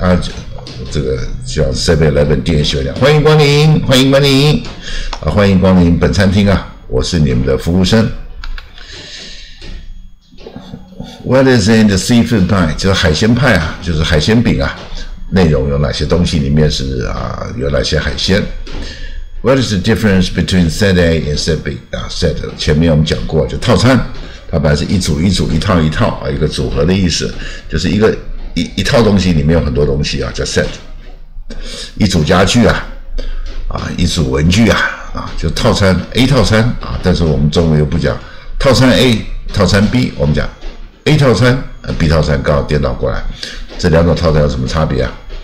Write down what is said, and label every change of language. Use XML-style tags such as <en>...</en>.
<zh>啊，这个叫 7-Eleven 店小姐，欢迎光临，欢迎光临，啊，欢迎光临本餐厅啊，我是你们的服务生。</zh> <en>What is in the seafood pie?</en> <zh>就是海鲜派啊，就是海鲜饼啊，内容有哪些东西？里面是啊，有哪些海鲜？</zh> <en>What is the difference between set A and set B?</en> <zh>啊 ，set 前面我们讲过，就套餐，它本来是一组一组、一套一套啊，一个组合的意思，就是一套东西里面有很多东西啊，叫 set。一组家具啊，一组文具啊，就套餐 A 套餐啊，但是我们中文又不讲套餐 A、套餐 B， 我们讲 A 套餐、B 套餐，刚好颠倒过来，这两种套餐有什么差别啊？</zh>